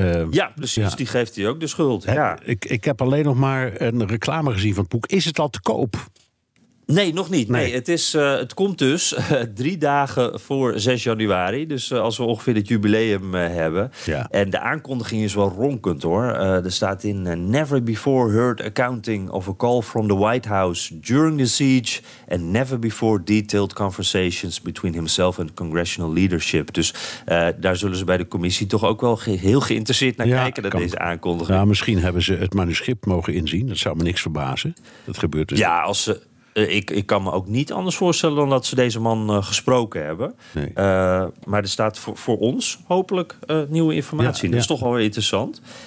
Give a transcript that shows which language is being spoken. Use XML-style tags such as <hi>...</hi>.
<nl>Ja, precies. Ja. Die geeft hij ook de schuld. Ja. Ik heb alleen nog maar een reclame gezien van het boek. Is het al te koop? Nee, nog niet. Nee. Het komt dus 3 dagen voor 6 januari. Dus als we ongeveer het jubileum hebben. Ja. En de aankondiging is wel ronkend hoor. Er staat in</nl> <en>never before heard accounting of a call from the White House during the siege. And never before detailed conversations between himself and congressional leadership.</en> <nl>Dus daar zullen ze bij de commissie toch ook wel heel geïnteresseerd naar kijken. Naar deze aankondiging. Nou, misschien hebben ze het manuscript mogen inzien. Dat zou me niks verbazen. Dat gebeurt dus. Ja, als ze... Ik kan me ook niet anders voorstellen dan dat ze deze man gesproken hebben. Nee. Maar er staat voor ons hopelijk nieuwe informatie. Ja, dat is toch wel weer interessant.</nl>